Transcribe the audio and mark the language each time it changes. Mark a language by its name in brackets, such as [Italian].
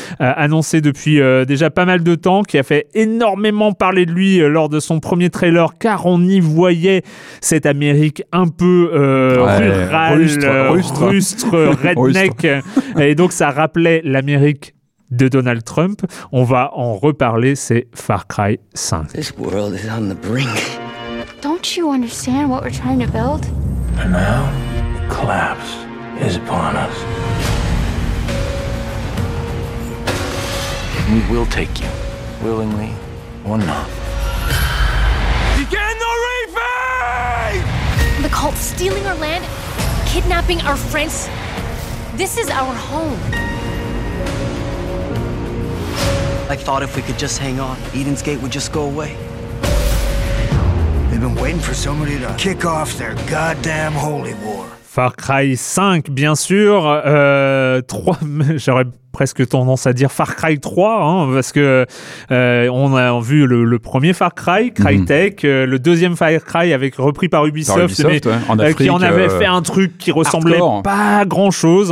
[French] Annoncé depuis déjà pas mal de temps, qui a fait énormément parler de lui lors de son premier trailer, car on y voyait cette Amérique un peu rurale, rustre, redneck. Et donc, ça rappelait l'Amérique de Donald Trump. On va en reparler, c'est Far Cry 5. [English] This world is on the brink. Don't you understand what we're trying to build? And now, collapse is upon us. We will take you, willingly or not. Cult stealing our land, kidnapping our friends. This is our home. I thought if we could just hang on, Eden's Gate would just go away. They've been waiting for somebody to kick off their goddamn holy war. [French] Far Cry 5, bien sûr. 3, j'aurais presque tendance à dire Far Cry 3, hein, parce que on a vu le premier Far Cry, Crytek, le deuxième Far Cry avec repris par Ubisoft, mais, en Afrique, qui en avait fait un truc qui ressemblait hardcore. Pas à grand chose.